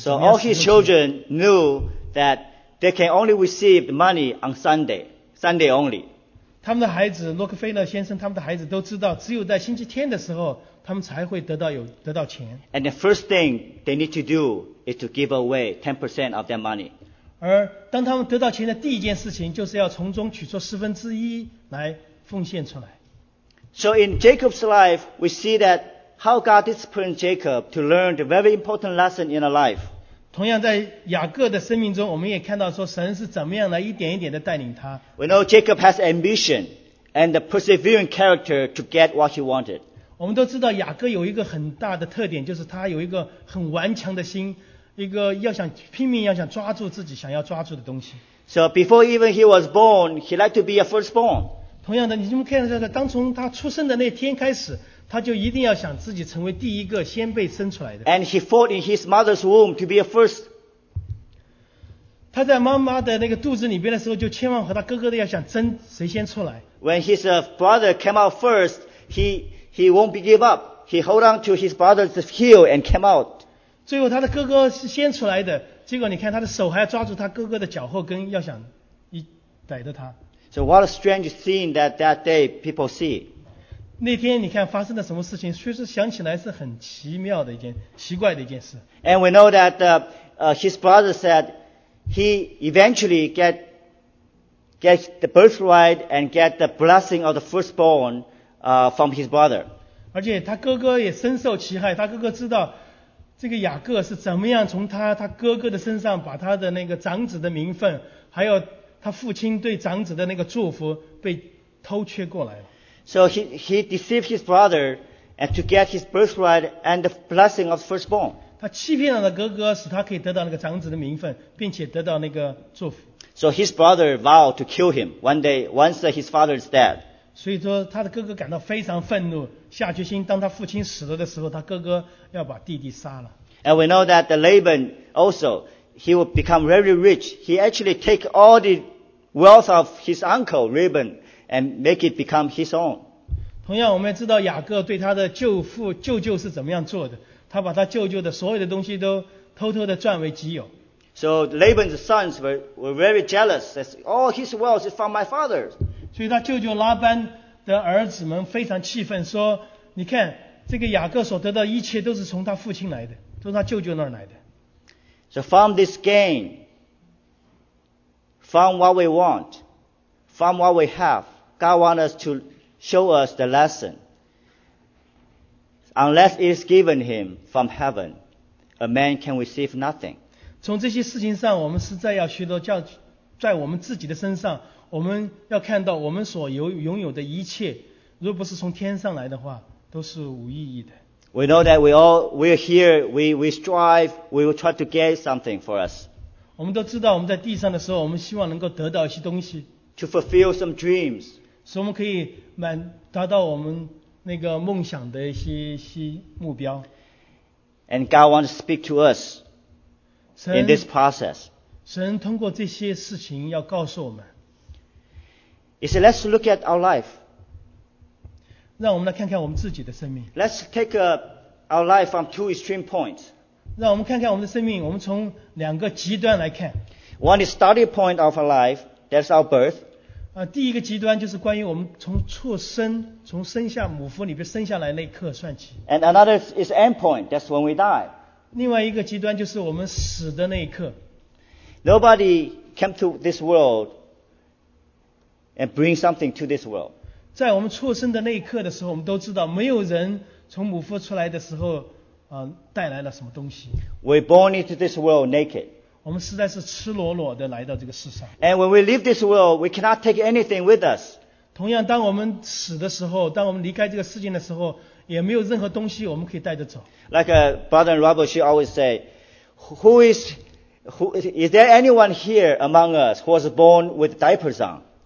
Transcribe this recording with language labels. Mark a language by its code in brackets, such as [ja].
[en] So all his children knew that they can only receive the money on Sunday only. [zh] 他们的孩子洛克菲勒先生，他们的孩子都知道，只有在星期天的时候，他们才会得到钱。 [en] And the first thing they need to do is to give away 10% of their money. [zh] 而当他们得到钱的第一件事情，就是要从中取出十分之一来奉献出来。 [en] So in Jacob's life, we see that how God disciplined Jacob to learn the very important lesson in a life. [zh] 同样在雅各的生命中，我们也看到说神是怎么样来一点一点的带领他。 [en] We know Jacob has ambition and the persevering character to get what he wanted. [zh] 我们都知道雅各有一个很大的特点，就是他有一个很顽强的心，一个要想拼命要想抓住自己想要抓住的东西。 [en] So before even he was born, he liked to be a firstborn. [zh] 同样的，你们看到的，当从他出生的那天开始，他就一定要想自己成为第一个先被生出来的。 [en] And he fought in his mother's womb to be a first. [zh] 他在妈妈的那个肚子里边的时候，就千万和他哥哥的要想争谁先出来。 [en] When his brother came out first, he won't be give up. He hold on to his brother's heel and came out. [zh] 最后他的哥哥是先出来的，结果你看他的手还要抓住他哥哥的脚后跟，要想一逮着他。 [en] So what a strange scene that day people see. [zh] 那天你看发生了什么事情，确实想起来是很奇妙的一件奇怪的一件事。 [en] And we know that his brother said he eventually get the birthright and get the blessing of the firstborn from his brother. [zh] 而且他哥哥也深受其害，他哥哥知道这个雅各是怎么样从他哥哥的身上把他的那个长子的名分还有他父亲对长子的那个祝福被偷窃过来了。 [en] So he deceived his brother and to get his birthright and the blessing of firstborn. [zh] 他欺骗了他哥哥，使他可以得到那个长子的名分，并且得到那个祝福。 [en] So his brother vowed to kill him one day once his father is dead. [zh] 所以说他的哥哥感到非常愤怒，下决心当他父亲死了的时候，他哥哥要把弟弟杀了。 [en] And we know that the Laban also. He will become very rich. He actually take all the wealth of his uncle Laban and make it become his own. [zh] 同样，我们也知道雅各对他的舅父舅舅是怎么样做的。他把他舅舅的所有的东西都偷偷的占为己有。 [en] So Laban's sons were very jealous. Says, "All his wealth is from my father." [zh] 所以他舅舅拉班的儿子们非常气愤，说：“你看，这个雅各所得到一切都是从他父亲来的，都是他舅舅那儿来的。” [en] So from this gain, from what we want, from what we have, God wants us to show us the lesson. Unless it is given him from heaven, a man can receive nothing. [zh] 从这些事情上，我们实在要学到教，在我们自己的身上，我们要看到我们所拥有的一切，如果不是从天上来的话，都是无意义的。 [en] We know that we're here, we strive, we will try to get something for us. [zh] 我们都知道我们在地上的时候，我们希望能够得到一些东西。 [en] To fulfill some dreams. [zh] 所以我们可以达到我们那个梦想的一些目标。 [en] And God wants to speak to us in this process. [zh] 神通过这些事情要告诉我们。 [en] He said, let's look at our life. [zh] 让我们来看看我们自己的生命。 [en] Let's take our life from two extreme points. [zh] 让我们看看我们的生命，我们从两个极端来看。 [en] One is starting point of our life, that's our birth. [zh] 第一个极端就是关于我们从出生，从生下母腹里边生下来那一刻算起。 [en] And another is end point, that's when we die. [zh] 另外一个极端就是我们死的那一刻。 [en] Nobody came to this world and bring something to this world. [zh] 在我们出生的那一刻的时候，我们都知道，没有人从母腹出来的时候，带来了什么东西。 [en] We're born into this world naked. [zh] 我们实在是赤裸裸的来到这个世上。 [en] And when we leave this world, we cannot take anything with us. [zh] 同样，当我们死的时候，当我们离开这个世界的时候，也没有任何东西我们可以带着走。 [en] Like Brother Robert, she always say, "Is there anyone here among us who was born with diapers on?"